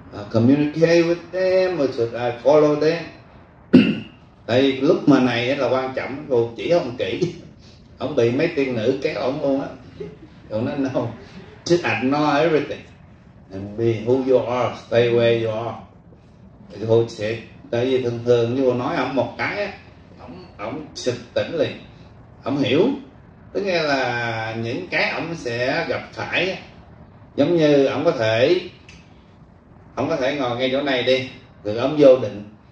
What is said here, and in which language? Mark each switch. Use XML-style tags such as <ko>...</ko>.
<en>communicate with them or should I follow them?</en> <vi>Tại lúc mà này là quan trọng, cô chỉ không kỹ, ông bị mấy tiên nữ kéo ông luôn á. Cô nói</vi> <en>no, just ignore everything and be who you are, stay where you are.</en> <vi>Cô sẽ, tại vì thường thường như cô nói ông một cái á, ông sực tỉnh liền, ông hiểu. Tức nghe là những cái ông sẽ gặp phải, giống như ông có thể, ông có thể ngồi ngay chỗ này đi, được ông vô định.</vi>